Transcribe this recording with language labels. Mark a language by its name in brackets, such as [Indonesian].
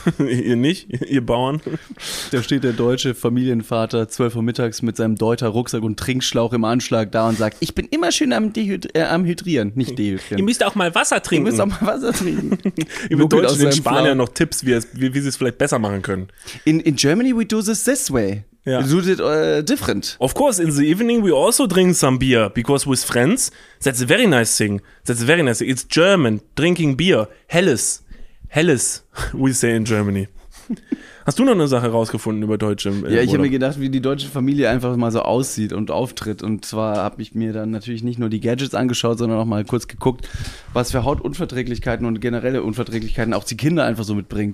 [German] Ihr nicht, ihr Bauern. Da steht der deutsche Familienvater 12 Uhr mittags mit seinem Deuter Rucksack und Trinkschlauch im Anschlag da und sagt, ich bin immer schön am Hydrieren, nicht dehydrieren. Ihr müsst auch mal Wasser trinken. Ihr müsst auch mal Wasser trinken. Ihr müsst Deutschen den Spaniern noch Tipps, wie sie es vielleicht besser machen können. [English] In Germany we do this way. [German] Ja. [English] We do it different. Of course, in the evening we also drink some beer because with friends, that's a very nice thing. That's a very nice thing. It's German, drinking beer, helles. Helles, we say in Germany. [German] Hast du noch eine Sache rausgefunden über Deutsche? Ja, ich habe mir gedacht, wie die deutsche Familie einfach mal so aussieht und auftritt. Und zwar habe ich mir dann natürlich nicht nur die Gadgets angeschaut, sondern auch mal kurz geguckt, was für Hautunverträglichkeiten und generelle Unverträglichkeiten auch die Kinder einfach so mitbringen.